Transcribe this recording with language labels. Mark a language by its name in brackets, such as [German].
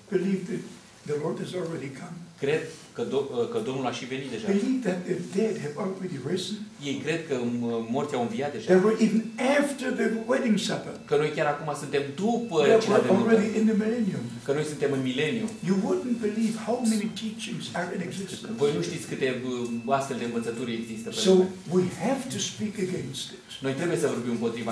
[English] Believe that the Lord has already come. [Romanian] Cred că că Domnul a și venit deja. [English] Believe that the dead have already risen. [Romanian] Ei cred că morții au înviat deja. [English] They were even after the wedding supper. [Romanian] Că noi chiar acum suntem după cina de nuntă. [English] Already in the millennium. [Romanian] Că noi suntem în mileniu. [English] You wouldn't believe how many teachings are in existence. [Romanian] Voi nu știți câte astfel de învățături există. [English] So we have to speak against it. [Romanian] Noi trebuie să vorbim împotriva